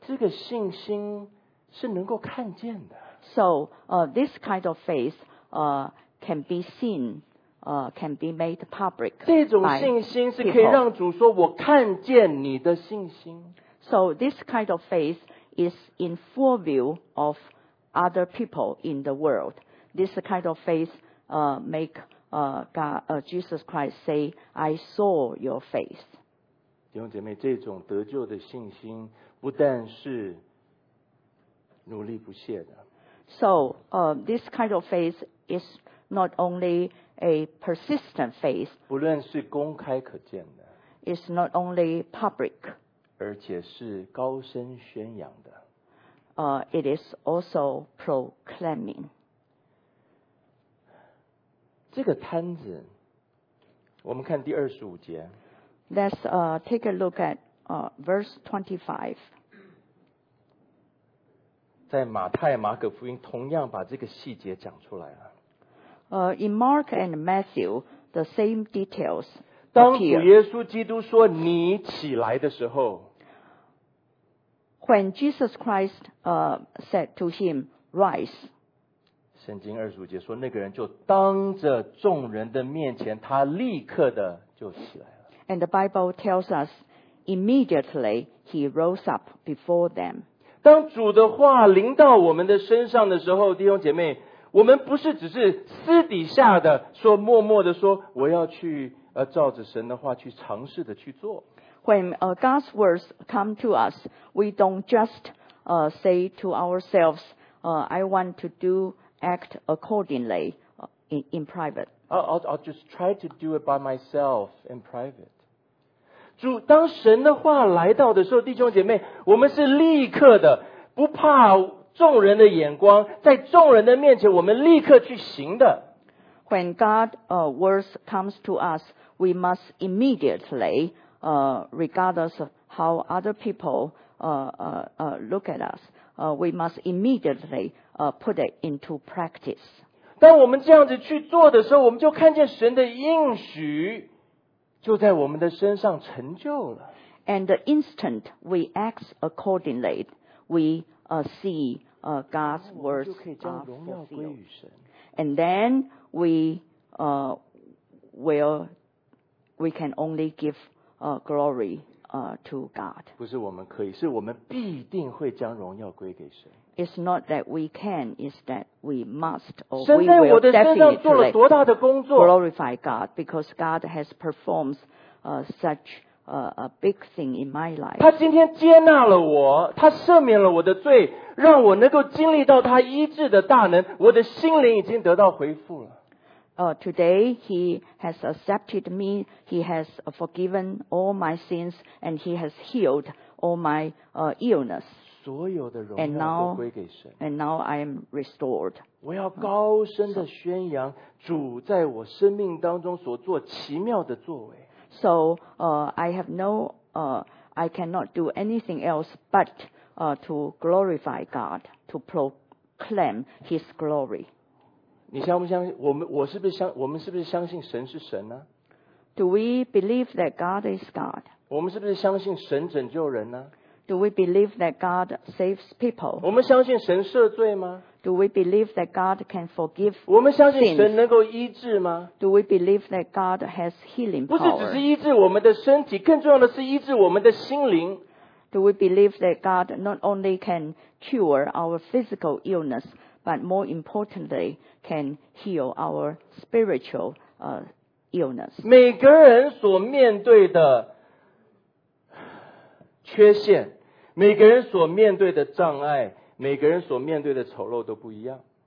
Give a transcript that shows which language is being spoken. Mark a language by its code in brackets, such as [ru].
[zh] 这个信心是能够看见的。 [en] So, this kind of faith can be seen, can be made public. [zh] 这种信心是可以让主说我看见你的信心。 [en] So, this kind of faith is in full view of other people in the world. This kind of faith make Jesus Christ say, I saw your faith. [zh] 弟兄姐妹，这种得救的信心不但是努力不懈的。 [en] So, this kind of faith is not only a persistent faith. [zh] 不论是公开可见的。 [en] It's not only public. [zh] 而且是高声宣扬的。 [en] It is also proclaiming. [zh] 这个摊子，我们看第二十五节。 [en] Let's take a look at verse 25. [zh] 在马太马可福音同样把这个细节讲出来了。 [en] In Mark and Matthew, the same details. [zh] 当主耶稣基督说你起来的时候。 [en] When Jesus Christ said to him, rise. [zh] 圣经二十五节说那个人就当着众人的面前他立刻的就起来了。 [en] And the Bible tells us, immediately he rose up before them. [zh] 当主的话临到我们的身上的时候，弟兄姐妹，我们不是只是私底下的说，默默的说，我要去照着神的话去尝试的去做。 [en] When God's words come to us, we don't just say to ourselves, I want to do act accordingly in private. I'll just try to do it by myself in private. [zh] 主当神的话来到的时候，弟兄姐妹，我们是立刻的，不怕众人的眼光，在众人的面前，我们立刻去行的。 [en] When God, words comes to us, we must immediately, regardless of how other people, look at us, we must immediately, put it into practice. [zh] 当我们这样子去做的时候，我们就看见神的应许。就在我们的身上成就了。 [en] And the instant we act accordingly, we see God's words are fulfilled. And then we can only give glory to God. [zh] 不是我们可以，是我们必定会将荣耀归给神。 [en] It's not that we can, it's that we must or we will definitely glorify God because God has performed such a big thing in my life. [zh] 他今天接纳了我，他赦免了我的罪，让我能够经历到他医治的大能，我的心灵已经得到回复了。 [en] Today he has accepted me, he has forgiven all my sins, and he has healed all my illness. [zh] 所有的荣耀都归给神。 [en] And now I am restored. [zh] 我要高声的宣扬主在我生命当中所做奇妙的作为。 [en] So, I have no, I cannot do anything else but, to glorify God, to proclaim His glory. [zh] 你相不相信我们是不是相信神是神呢？ [en] Do we believe that God is God? [zh] 我们是不是相信神拯救人呢？ [en] Do we believe that God saves people? [zh] 我们相信神赦罪吗？ [en] Do we believe that God can forgive sins? [zh] 我们相信神能够医治吗？ [en] Do we believe that God has healing power? [zh] 不是只是医治我们的身体，更重要的是医治我们的心灵。 [en] Do we believe that God not only can cure our physical illness, but more importantly, can heal our spiritual illness? [zh] 每个人所面对的缺陷，每个人所面对的障碍，每个人所面对的丑陋都不一样。